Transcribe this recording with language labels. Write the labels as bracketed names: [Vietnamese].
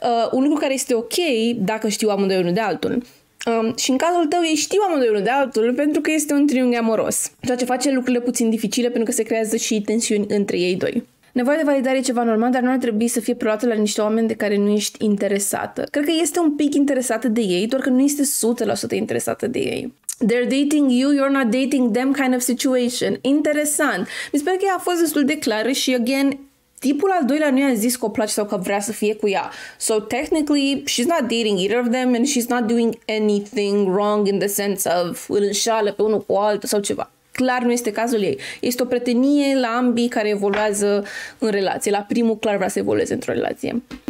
[Romanian] Un lucru care este ok dacă știu amândoi unul de altul. Și în cazul tău ei știu amândoi unul de altul pentru că este un triunghi amoros, ceea ce face lucrurile puțin dificile pentru că se creează și tensiuni între ei doi. Nevoia de validare e ceva normal, dar nu ar trebui să fie preluată la niște oameni de care nu ești interesată. Cred că este un pic interesată de ei, doar că nu este 100% interesată de ei. [English] They're dating you, you're not dating them kind of situation. [Romanian] Interesant. Mi se pare că ea a fost destul de clară și, again, tipul al doilea nu i-a zis că o place sau că vrea să fie cu ea. [English] So, technically, she's not dating either of them and she's not doing anything wrong in the sense of [Romanian] îl înșală pe unul cu altul sau ceva. Clar nu este cazul ei. Este o prietenie la ambii care evoluează în relație. La primul, clar vrea să evolueze într-o relație.